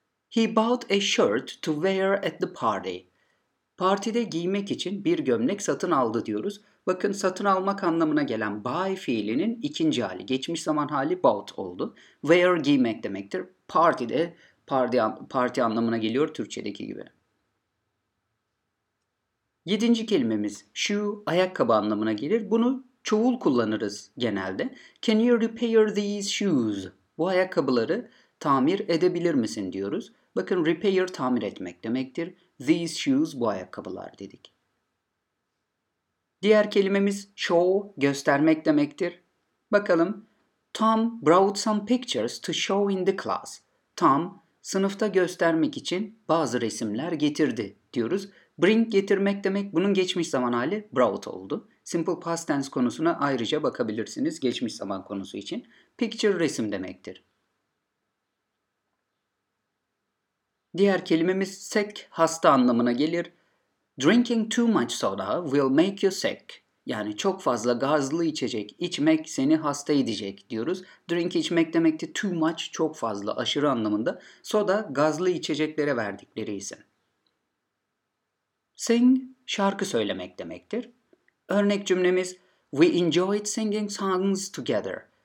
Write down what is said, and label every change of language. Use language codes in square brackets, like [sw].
[en] He bought a shirt to wear at the party. [tr] Partide giymek için bir gömlek satın aldı diyoruz. Bakın satın almak anlamına gelen buy fiilinin ikinci hali, geçmiş zaman hali bought oldu. Wear, giymek demektir. Partide, party anlamına geliyor Türkçedeki gibi. Yedinci kelimemiz shoe, ayakkabı anlamına gelir. Bunu çoğul kullanırız genelde. [en] Can you repair these shoes? [tr] Bu ayakkabıları tamir edebilir misin diyoruz. Bakın repair tamir etmek demektir. [en] These shoes, [tr] bu ayakkabılar dedik. Diğer kelimemiz show, göstermek demektir. Bakalım [en] Tom brought some pictures to show in the class. [tr] Tom sınıfta göstermek için bazı resimler getirdi diyoruz. Bring, getirmek demek. Bunun geçmiş zaman hali brought oldu. Simple past tense konusuna ayrıca bakabilirsiniz geçmiş zaman konusu için. Picture, resim demektir. Diğer kelimemiz sick, hasta anlamına gelir. [en] Drinking too much soda will make you sick. [tr] Yani çok fazla gazlı içecek içmek seni hasta edecek diyoruz. Drink, içmek demekti. [en] Too much, [tr] çok fazla, aşırı anlamında. Soda, gazlı içeceklere verdikleri isim. Sing, şarkı söylemek demektir. Örnek cümlemiz, [en] we enjoyed singing songs together.